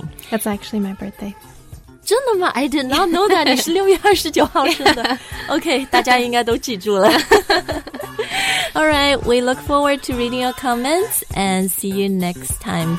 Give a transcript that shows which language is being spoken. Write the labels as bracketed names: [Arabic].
[English] That's actually my birthday. [Chinese] 真的吗？ [English] I did not know that. [Chinese] 你是6月29号生的。 OK, 大家应该都记住了。 [English] Alright, we look forward to reading your comments and see you next time.